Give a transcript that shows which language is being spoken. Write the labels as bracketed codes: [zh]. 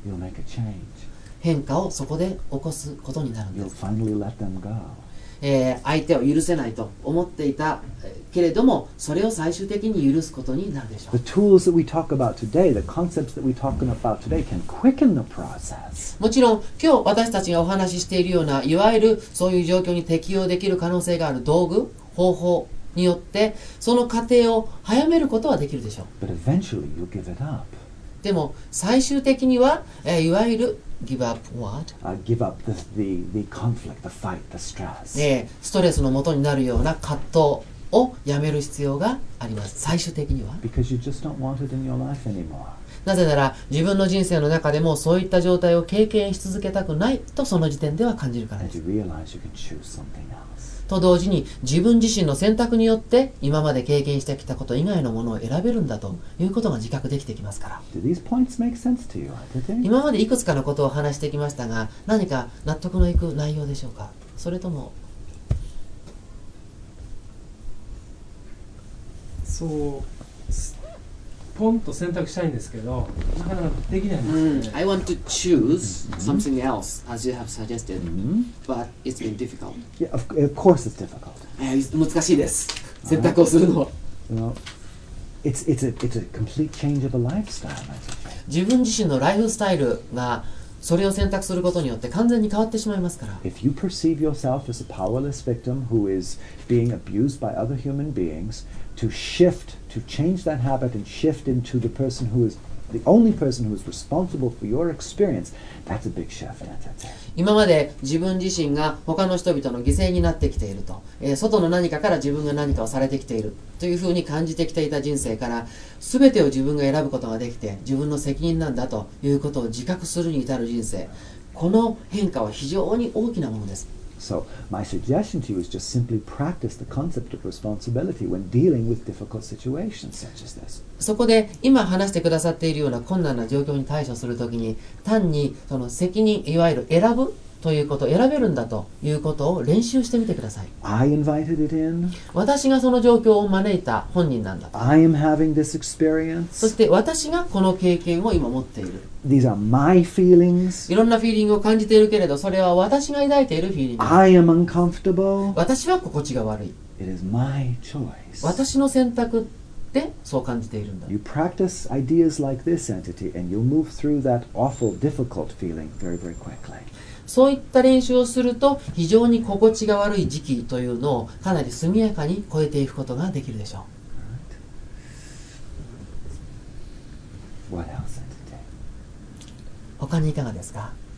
[en] You'll make a change. [ja] 変化をそこで起こすことになるんです。 [en] You'll finally let them go. [ja] 相手を許せないと思っていたけれども、それを最終的に許すことになるでしょう。 [en] The tools that we talk about today, the concepts that we're talking about today can quicken the process. [ja] もちろん今日私たちがお話ししているような、いわゆるそういう状況に適応できる可能性がある道具方法によって、その過程を早めることはできるでしょう。 [en] But eventually you give it up. [ja] でも最終的には、いわゆる [en] Give up what? Give up the conflict, the fight, the stress. [ja] ストレスの元になるような葛藤をやめる必要があります。最終的には。 [en] Because you just don't want it in your life anymore. [ja] なぜなら自分の人生の中でもそういった状態を経験し続けたくないとその時点では感じるからです。 [en] And you realize you can choose something else. [ja] と同時に自分自身の選択によって今まで経験してきたこと以外のものを選べるんだということが自覚できてきますから。 [en] Do these points make sense to you? Did they? [ja] 今までいくつかのことを話してきましたが、何か納得のいく内容でしょうか。それともそうポンと選択したいんですけど、なかなかできないんですね。 [en] I want to choose something else, as you have suggested, but it's been difficult. Yeah, of course it's difficult. [ja] 難しいです。選択をするのは。 [en] You know, it's a complete change of a lifestyle, I think. [ja] 自分自身のライフスタイルが、それを選択することによって完全に変わってしまいますから。 [en] If you perceive yourself as a powerless victim who is being abused by other human beings,To shift, to change that habit and shift into the person who is the only person who is responsible for your experience, that's a big shift. [ja] 今まで自分自身が他の人々の犠牲になってきていると、外の何かから自分が何かをされてきているというふうに感じてきていた人生から、全てを自分が選ぶことができて自分の責任なんだということを自覚するに至る人生、この変化は非常に大きなものです。 [en] So my suggestion to you is just simply practice the concept of responsibility when dealing with difficult situations such as this. [ja] そこで今話してくださっているような困難な状況に対処するときに、単にその責任、いわゆる選ぶということ、選べるんだということを練習してみてください。 [en] I invited it in. [ja] 私がその状況を招いた本人なんだと。 [en] I am having this experience. [ja] そして私がこの経験を今持っている。 [en] These are my feelings. [ja] いろんなフィーリングを感じているけれど、それは私が抱いているフィーリング。 [en] I am uncomfortable. [ja] 私は心地が悪い。 [en] It is my choice. [ja] 私の選択でそう感じているんだ。 [en] You practice ideas like this entity and you'll move through that awful, difficult feeling very, very quickly. [ja] そういった練習をすると非常に心地が悪い時期というのをかなり速やかに超えていくことができるでしょう。 [en] What else did they? [ja] 他にいかがですか？